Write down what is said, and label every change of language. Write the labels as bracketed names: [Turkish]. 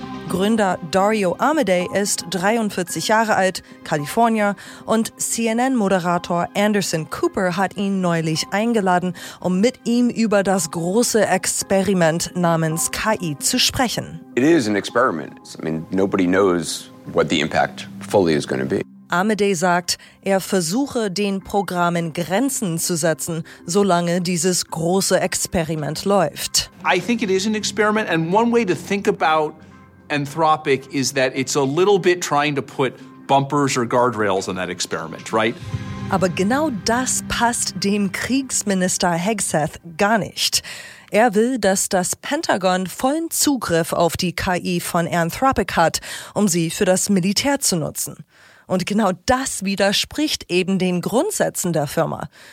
[German] Gründer Dario Amodei ist 43 Jahre alt, Kalifornier, und CNN-Moderator Anderson Cooper hat ihn neulich eingeladen, um mit ihm über das große Experiment namens KI zu sprechen. [English] It is an experiment. I mean, nobody knows what the impact fully is going to be. [German] Amodei sagt, er versuche, den Programmen Grenzen zu setzen, solange dieses große Experiment läuft. [English] I think it is an experiment, and one way to think about Anthropic is that it's a little bit trying to put bumpers or guardrails on that experiment, right? [German] Aber genau das passt dem Kriegsminister Hegseth gar nicht. Er will, dass das Pentagon vollen Zugriff auf die KI von Anthropic hat, um sie für das Militär zu nutzen. Und genau das widerspricht eben den Grundsätzen der Firma.